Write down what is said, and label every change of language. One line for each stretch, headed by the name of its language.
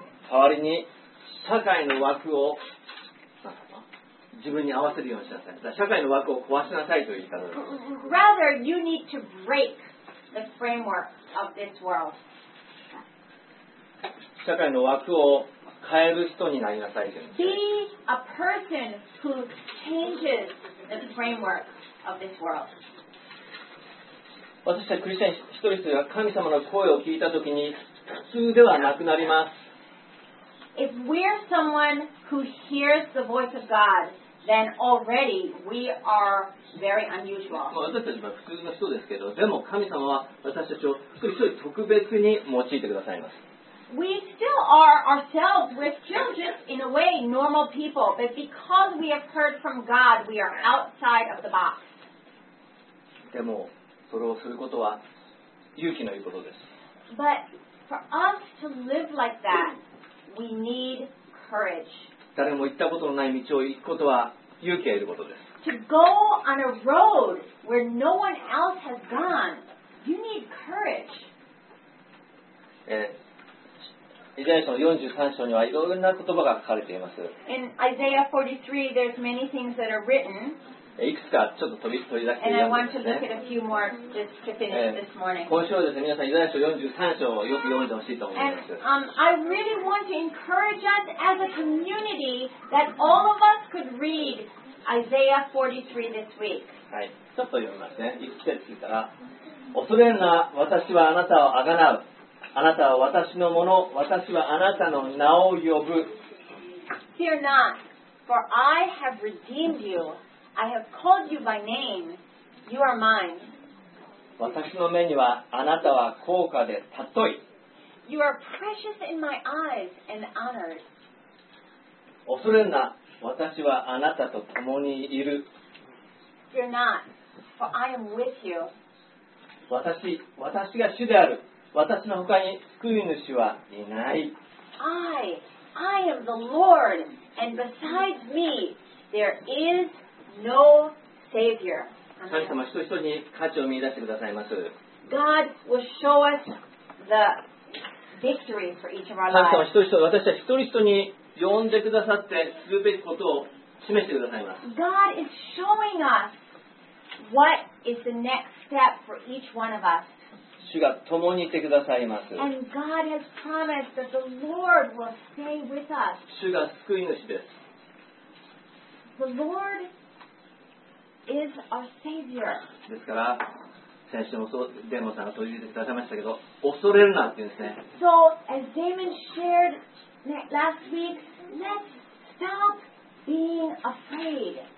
Japanese: 代わりに社会の枠を自分に合わせるようにしなさい。社会の枠を壊しなさいという言い方です。
English: Rather, you need to break the framework of framework of this world.
Japanese: 社会の枠を変える人になりなさい。
English: Be a person who changes the framework of this world.
Japanese: 私たちクリスチャン一人一人が神様の声を聞いたときに普通ではなくなります。
English: If we're someone who hears the voice of God, then already we are very unusual.
Japanese: 私たちは普通の人ですけど、でも神様は私たちを一人一人特別に用いてくださいます。
English: We still are ourselves, we're still just in a way normal people, but because we have heard from God, we are outside of the box.
Japanese: でもそれをすることは勇気のいることです。
English: But for us to live like that,We need courage.
Japanese: 誰も行ったことのない道を行くことは勇気がいることです。
English: To go on a road where no one else has gone, you need courage.
Japanese: イザヤ書の43章にはいろいろな言葉が書かれています。
English: In Isaiah 43, there's many things that are written.
Japanese: いくつかちょっと取り出してみます、ね。
English: And I want to look at a few more just to finish this morning.
Japanese: 今週はですね、皆さん、イザヤ書43章をよく読んでほしいと思います。
English: I really want to encourage us as a community that all of us could read Isaiah 43 this week.
Japanese: はい、ちょっと読みますね。一節聞いたら、恐れんな、私はあなたをあがなう。あなたは私のもの、私はあなたの名を呼ぶ。
English: Fear not, for I have redeemed you. I have called you by name. You are mine.
Japanese: 私の目にはあなたは高価で尊い。
English: You are precious in my eyes and honored.
Japanese: 恐れんな、私はあなたと共にいる。
English: Fear not, for I am with you.
Japanese: 私が主である。私の他に救い主はいない。
English: I am the Lord, and besides me, there is No savior.
Japanese: 神様は人一人に価値を見出してくださいます。
English: God will show us the victory for each of our lives.
Japanese: 神様は人一人、私たち一人一人に呼んでくださってするべきことを示してくださいます。
English: God is showing us what is the next step for each one of us.
Japanese: 主が共にいてくださいます。
English: And God has promised that the Lord will stay with us.
Japanese: 主が救い主です。
English: The Lord is our savior.
Japanese: ですから先週もそうデーモンさんが取り入れてくださいましたけど恐れるなって言うんですね。
English: So as Damon shared last week, let's stop being afraid.